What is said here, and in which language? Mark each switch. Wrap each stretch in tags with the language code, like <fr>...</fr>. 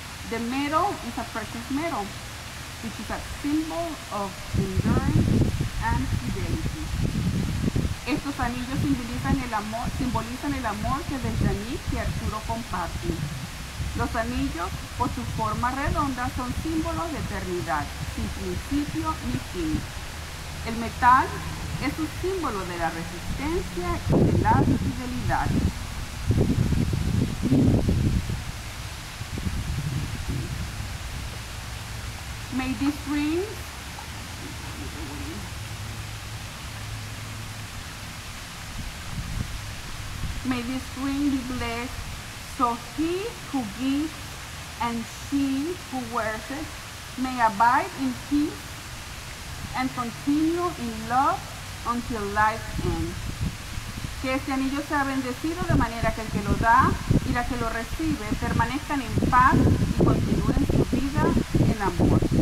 <en>The metal is a precious metal, which is a symbol of endurance and fidelity.</en> <es>Estos anillos simbolizan el amor que Dejanis y Arturo comparten. Los anillos, por su forma redonda, son símbolos de eternidad, sin principio ni fin. El metal es un símbolo de la resistencia y de la fidelidad.</es> <en>May this ring. May this ring be blessed so he who gives and she who wears it may abide in peace and continue in love until life ends.</en> <es>Que este anillo sea bendecido de manera que el que lo da y la que lo recibe permanezcan en paz y continúen su vida en amor.</es>